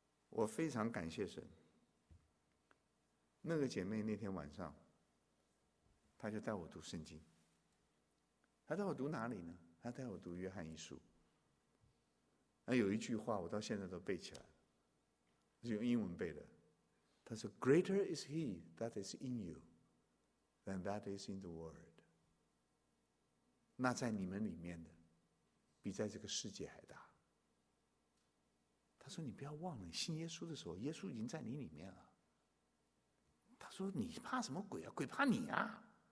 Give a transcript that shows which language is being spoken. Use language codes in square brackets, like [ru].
[zh] 我非常感谢神。那个姐妹那天晚上，她就带我读圣经。她带我读哪里呢？她带我读约翰一书。那有一句话我到现在都背起来了，是用英文背的。 [en] 她说 ：“Greater is He that is in you than that is in the world。” [zh] 那在你们里面的，比在这个世界还大。他说你不要忘了，你信耶稣的时候耶稣已经在你里面了。他说你怕什么鬼啊？鬼怕你啊。